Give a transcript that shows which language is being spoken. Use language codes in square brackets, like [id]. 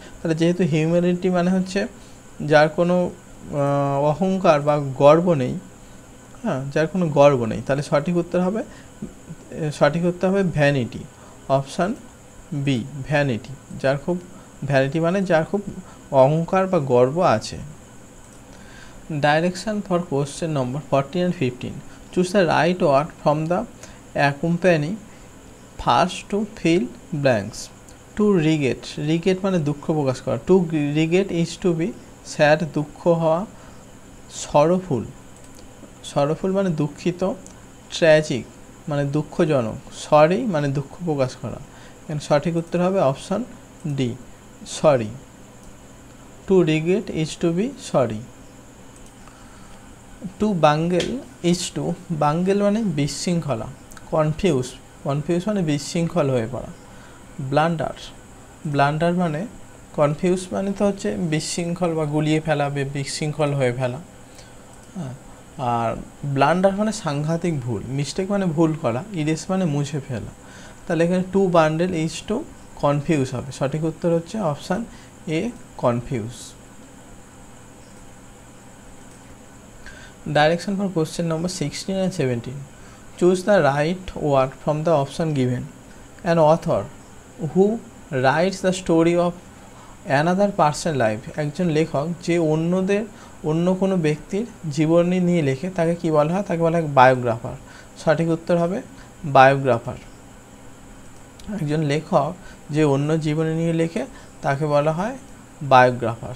[bn] তাহলে যেহেতু হিউম্যানিটি মানে হচ্ছে যার কোনো অহংকার বা গর্ব নেই, হ্যাঁ যার কোনো গর্ব নেই, তাহলে সঠিক উত্তর হবে, সঠিক উত্তর হবে ভ্যানিটি, অপশান বি, ভ্যানিটি, যার খুব, ভ্যানিটি মানে যার খুব অহংকার বা গর্ব আছে। [en] Direction for question number 14 and 15, choose the right word from the accompany first to fill blanks, to regret. [bn] Regret মানে দুঃখ প্রকাশ করা. [en] To regret is to be sad, [bn] দুঃখ হওয়া. [en] Sorrowful. [bn] Sorrowful মানে দুঃখিত. Tragic মানে দুঃখজনক. Sorry মানে দুঃখ প্রকাশ করা. এখানে সঠিক উত্তর হবে option D. Sorry. [en] To regret is to be sorry. To bungle is to bungle [bn] মানে বিশৃঙ্খলা. [en] Confused. [bn] Confused মানে বিশৃঙ্খল হয়ে পড়া. Blunder. Blunder মানে confused মানে তো হচ্ছে বিশৃঙ্খল বা গুলিয়ে ফেলা বা বিশৃঙ্খল হয়ে ফেলা. আর blunder মানে সাংঘাতিক ভুল. Mistake মানে ভুল করা. Erase মানে মুছে ফেলা. তাহলে এখানে [en] to bundle is to confuse [bn] হবে. সঠিক উত্তর হচ্ছে option A confuse. [en] Direction for question number 16 and 17. Choose the right word from the option given. An author who writes the story of another person's life. [bn] একজন লেখক যে অন্যদের অন্য কোনো ব্যক্তির জীবনী নিয়ে লেখে তাকে কি বলা হয়? তাকে বলা হয় biographer. সঠিক উত্তর হবে biographer. একজন লেখক যে অন্য জীবনী নিয়ে লেখে তাকে বলা হয় biographer.